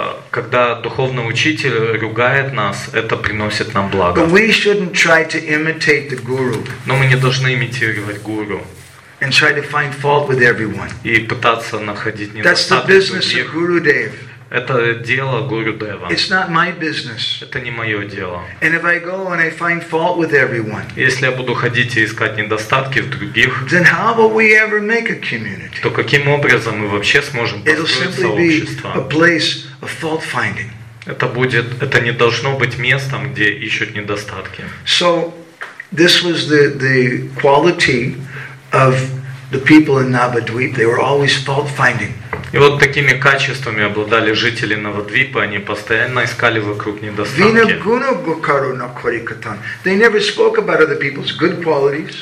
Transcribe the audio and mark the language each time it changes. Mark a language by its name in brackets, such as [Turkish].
[Russian] Когда духовный учитель ругает нас, это приносит нам благо. [English] But we shouldn't try to imitate the guru. [Russian] Но мы не должны имитировать гуру. [English] And try to find fault with everyone. [Russian] И пытаться находить недостатки. [English] That's the business of Guru Dev. [Russian] Это дело Гуру Дева. [English] It's not my business. [Russian] Это не мое дело. [English] And if I go and I find fault with everyone, [Russian] если я буду ходить и искать недостатки в других, [English] then how will we ever make a community? [Russian] То каким образом мы вообще сможем построить сообщество? [English] It'll simply be a place of fault finding. [Russian] Это не должно быть местом, где ищут недостатки. [English] So this was the quality of the people in Navadvipa. They were always fault finding. [Russian] И вот такими качествами обладали жители Навадвипа, они постоянно искали вокруг недостатки.